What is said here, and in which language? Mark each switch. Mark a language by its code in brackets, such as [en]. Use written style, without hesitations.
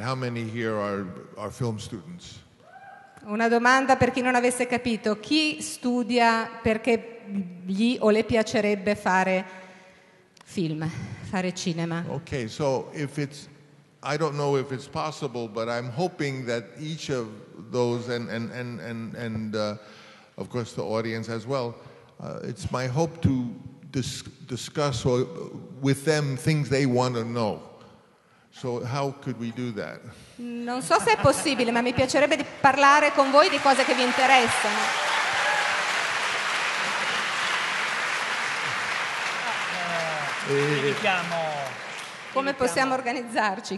[en] How many here are film students? [it] Una domanda per chi non avesse capito. Chi studia perché gli o le piacerebbe fare film? [en] Okay, so I don't know if it's possible, but I'm hoping that each of those and of course the audience as well, it's my hope to discuss with them things they want to know. So how could we do that? [it] Non so se è possibile, ma mi piacerebbe di parlare con voi di cose che vi interessano. Invitiamo. Come possiamo organizzarci?